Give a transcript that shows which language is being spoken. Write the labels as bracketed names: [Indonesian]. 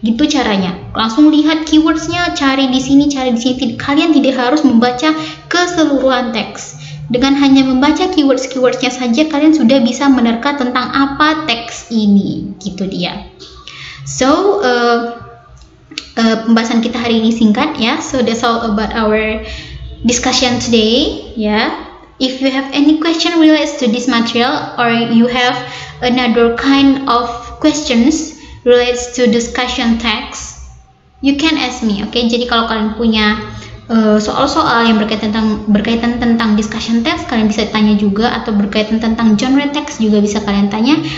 [Indonesian] Gitu caranya. Langsung lihat keywordsnya, cari di sini. Kalian tidak harus membaca keseluruhan teks. Dengan hanya membaca keywords-keywordsnya saja, kalian sudah bisa menerka tentang apa teks ini. Gitu dia. So, pembahasan kita hari ini singkat, ya. [English] So, that's all about our discussion today, ya. If you have any question related to this material, or you have another kind of questions relates to discussion text, you can ask me, okay? [Indonesian] Jadi kalau kalian punya soal-soal yang berkaitan tentang discussion text, kalian bisa tanya juga, atau berkaitan tentang genre text juga bisa kalian tanya.